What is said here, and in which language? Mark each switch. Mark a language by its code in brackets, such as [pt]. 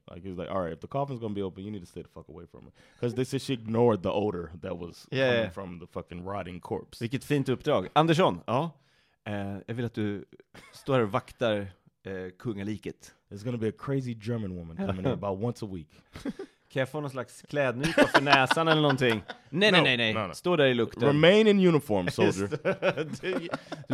[en] Like, he was like, all right, if the coffin's going to be open, you need to stay the fuck away from it. Because they said she ignored the odor that was coming from the fucking rotting corpse. [sv] Vilket fint uppdrag. Andersson, jag vill att du står här och vaktar kungaliket. [en] There's going to be a crazy German woman coming in about once a week. [sv] Kan jag få någon slags klädnypa för näsan eller någonting? Nej. [en] No. [sv] Stå där i lukten. [en] Remain in uniform, soldier.